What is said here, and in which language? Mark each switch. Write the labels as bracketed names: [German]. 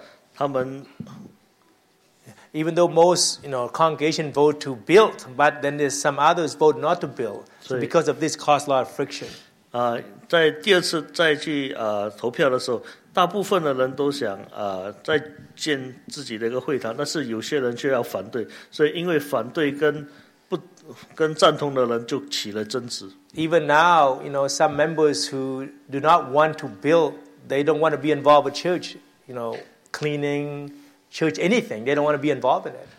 [Chinese] 所以在大陆也是同样的问题。开始呢，刚开始每个人同意要再建立一个新的会堂，但是过几年之后呢，当他们再聚集一起来投票是否要不要购买或者要去建堂的话，他们。 [English] Even though most, you know, congregation vote to build, but then there's some others vote not to build. Because of this, caused a lot of friction. [Chinese] 在第二次再去投票的时候，大部分的人都想再建自己的一个会堂，但是有些人却要反对，所以因为反对跟赞同的人就起了争执。 [English] Even now, you know, some members who do not want to build, they don't want to be involved with church, you know, cleaning, church, anything. They don't want to be involved in it.